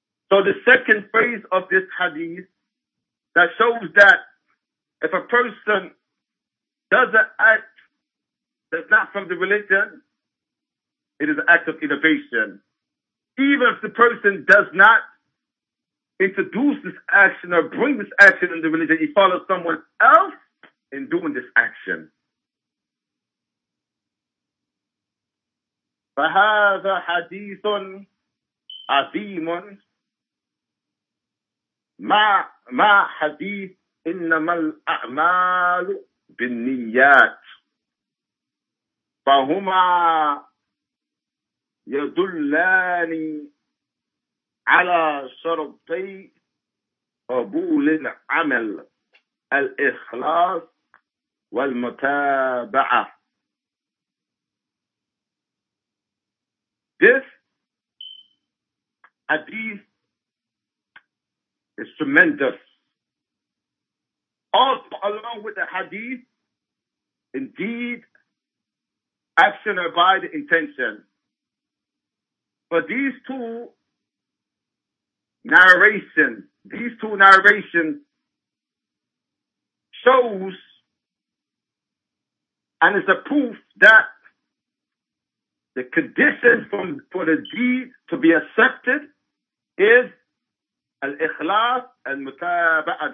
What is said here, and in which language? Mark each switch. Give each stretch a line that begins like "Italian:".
English: So the second phrase of this hadith that shows that if a person does an act that's not from the religion, it is an act of innovation. Even if the person does not introduce this action or bring this action in the religion, he follows someone else in doing this action.
Arabic: فهذا حديث عظيم ما حديث إنما الأعمال بالنيات فهما يدلان على شرطي قبول العمل الإخلاص والمتابعة.
English: This hadith is tremendous. Also along with the hadith, indeed, action by the intention. But these two narrations, shows, and it's a proof that the condition for the deed to be accepted is al-ikhlas al-mutaba'a.